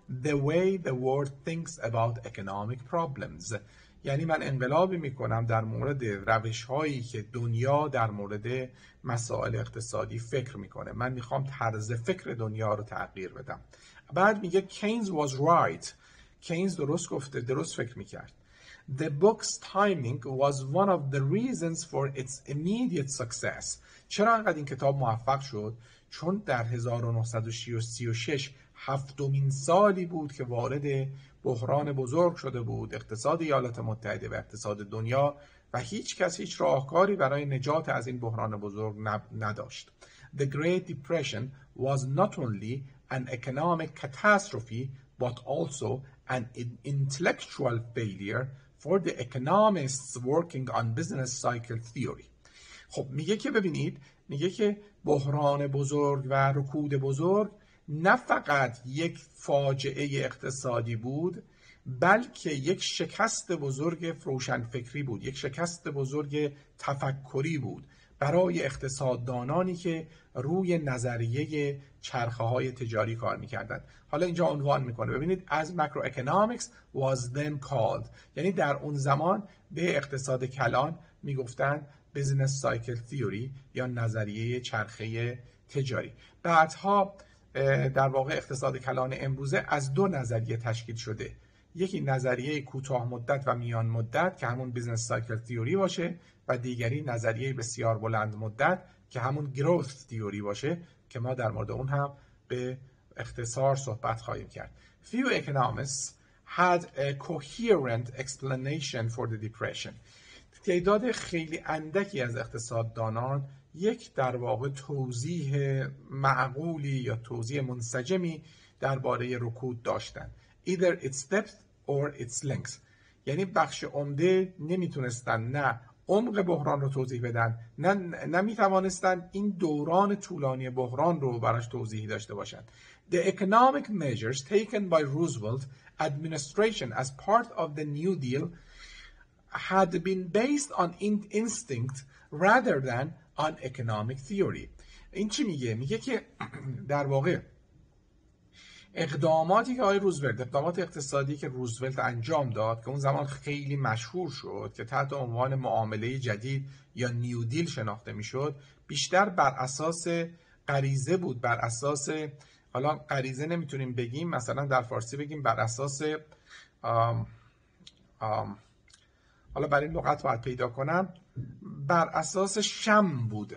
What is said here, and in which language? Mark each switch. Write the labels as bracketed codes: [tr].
[en] The way the world thinks about economic problems، [fa] یعنی من انقلابی میکنم در مورد روش هایی که دنیا در مورد مسائل اقتصادی فکر میکنه. من میخوام طرز فکر دنیا رو تغییر بدم. بعد میگه [en] Keynes was right، [fa] Keynes درست گفته، درست فکر میکرد. [en] The book's timing was one of the reasons for its immediate success. [fa] چرا انقدر این کتاب موفق شد؟ چون در 1936 هفتمین سالی بود که وارد بحران بزرگ شده بود اقتصاد ایالات متحده و اقتصاد دنیا و هیچ کس هیچ راهکاری برای نجات از این بحران بزرگ نداشت. [en] The Great Depression was not only an economic catastrophe but also an intellectual failure for the economists working on business cycle theory. [fa] خب میگه که ببینید، میگه که بحران بزرگ و رکود بزرگ نه فقط یک فاجعه اقتصادی بود، بلکه یک شکست بزرگ روشنفکری بود، یک شکست بزرگ تفکری بود برای اقتصاددانانی که روی نظریه چرخه های تجاری کار میکردند. حالا اینجا عنوان میکنه، ببینید، از مکرو اکنامیکس [en] was then called، [fa] یعنی در اون زمان به اقتصاد کلان میگفتن بزنس سایکل تیوری یا نظریه چرخه تجاری. بعدها در واقع اقتصاد کلان امروزه از دو نظریه تشکیل شده، یکی نظریه کوتاه مدت و میان مدت که همون بزنس سایکل تیوری باشه و دیگری نظریه بسیار بلند مدت که همون گروث تیوری باشه که ما در مورد اون هم به اختصار صحبت خواهیم کرد. [en] Few economists had a coherent explanation for the depression. [fa] تعداد خیلی اندکی از اقتصاددانان یک در واقع توضیح معقولی یا توضیح منسجمی درباره رکود داشتن. [en] Either its depth or its length. [fa] یعنی بخش عمده نمیتونستن نه عمق بحران رو توضیح بدن نه میتوانستن این دوران طولانی بحران رو براش توضیحی داشته باشن. [en] The economic measures taken by Roosevelt administration as part of the New Deal had been based on instinct rather than on economic theory. [fa] این چی میگه؟ میگه که در واقع اقداماتی که آقای روزولت، اقدامات اقتصادی که روزولت انجام داد که اون زمان خیلی مشهور شد که تحت عنوان معامله جدید یا نیو دیل شناخته میشد، بیشتر بر اساس غریزه بود، بر اساس، حالا غریزه نمیتونیم بگیم، مثلا در فارسی بگیم بر اساس حالا برای این لغت باید پیدا کنم، بر اساس شم بود.